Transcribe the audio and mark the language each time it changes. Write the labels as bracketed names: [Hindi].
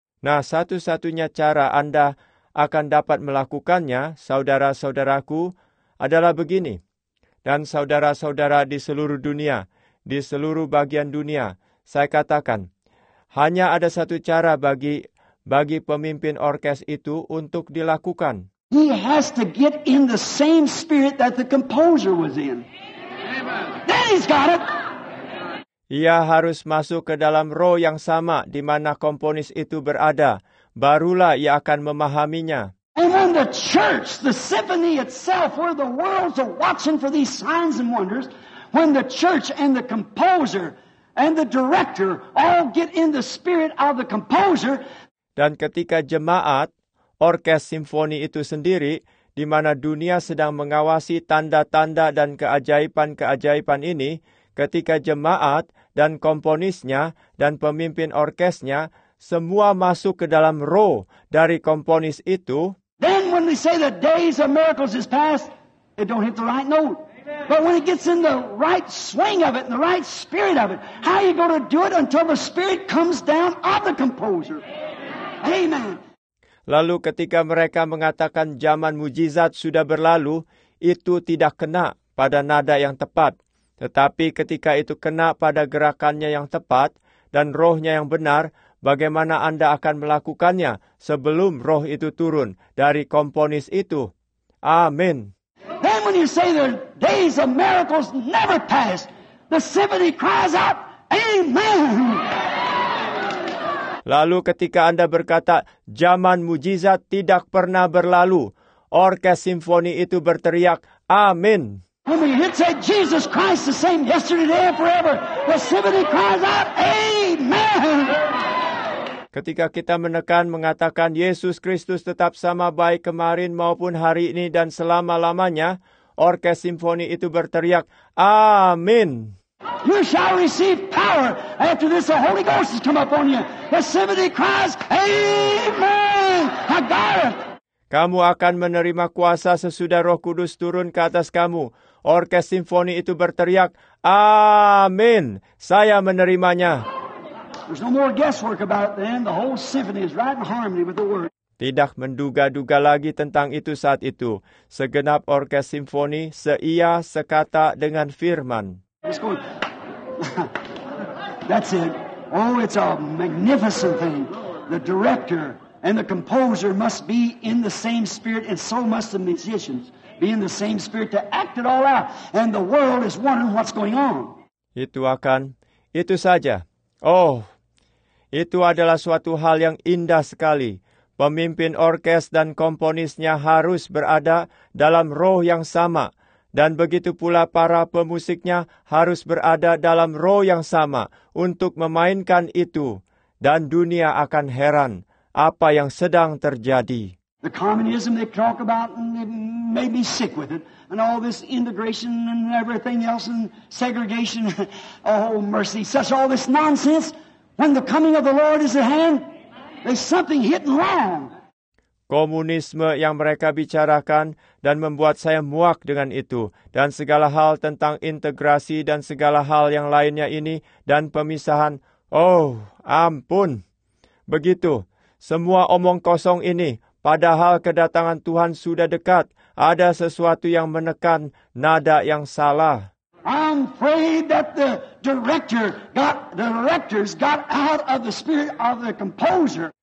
[Indonesian] Nah, satu-satunya cara Anda akan dapat melakukannya, saudara-saudaraku, adalah begini. Dan saudara-saudara di seluruh dunia, di seluruh bagian dunia, saya katakan, hanya ada satu cara bagi pemimpin orkes itu untuk dilakukan. [English] He has to get in the same spirit that the composer was in. Amen. That He's got it. [Indonesian] Ia harus masuk ke dalam roh yang sama di mana komponis itu berada. Barulah ia akan memahaminya. [English] And when the church, the symphony itself, where the world's watching for these signs and wonders, when the church and the composer and the director all get in the spirit of the composer. [Indonesian] Dan ketika jemaat, orkes simfoni itu sendiri, di mana dunia sedang mengawasi tanda-tanda dan keajaiban-keajaiban ini, ketika jemaat dan komponisnya dan pemimpin orkesnya semua masuk ke dalam roh dari komponis itu. [English] Then when they say the days of miracles is past, it don't hit the right note. But when it gets in the right swing of it, in the right spirit of it, how are you going to do it until the spirit comes down of the composer? Amen. [Indonesian] Lalu ketika mereka mengatakan zaman mujizat sudah berlalu, itu tidak kena pada nada yang tepat. Tetapi ketika itu kena pada gerakannya yang tepat dan rohnya yang benar, bagaimana Anda akan melakukannya sebelum roh itu turun dari komponis itu? Amin. [English] Then when you say the days of miracles never passed, the symphony cries out, Amen. [Indonesian] Lalu ketika Anda berkata, zaman mujizat tidak pernah berlalu, orkes simfoni itu berteriak, Amin. [English] When we hit say Jesus Christ the same yesterday, today, and forever, the symphony cries out, Amen. [Indonesian] Ketika kita menekan mengatakan Yesus Kristus tetap sama baik kemarin maupun hari ini dan selama-lamanya, orkes simfoni itu berteriak, Amin. [English] You shall receive power after this the Holy Ghost has come upon you. The symphony cries, Amen. I got it. [Indonesian] Kamu akan menerima kuasa sesudah Roh Kudus turun ke atas kamu. Orkes simfoni itu berteriak, Amin. Saya menerimanya. [English] There's no more guesswork about it then. The whole symphony is right in harmony with the word. [Indonesian] Tidak menduga-duga lagi tentang itu saat itu. Segenap orkes simfoni seia sekata dengan firman. [English] It's going. That's it. Oh, it's a magnificent thing. The director and the composer must be in the same spirit, and so must the musicians be in the same spirit to act it all out. And the world is wondering what's going on. [Indonesian] Itu akan. Itu saja. Oh, itu adalah suatu hal yang indah sekali. Pemimpin orkes dan komponisnya harus berada dalam roh yang sama. Dan begitu pula para pemusiknya harus berada dalam roh yang sama untuk memainkan itu. Dan dunia akan heran apa yang sedang terjadi. [English] The communism they talk about made me sick with it. And all this integration and everything else and segregation. Oh, mercy. Such all this nonsense. When the coming of the Lord is at hand, there's something hitting wrong. [Indonesian] Komunisme yang mereka bicarakan dan membuat saya muak dengan itu. Dan segala hal tentang integrasi dan segala hal yang lainnya ini dan pemisahan. Oh, ampun. Begitu. Semua omong kosong ini. Padahal kedatangan Tuhan sudah dekat, ada sesuatu yang menekan nada yang salah. [English] I'm afraid that the directors got out of the spirit of the composer.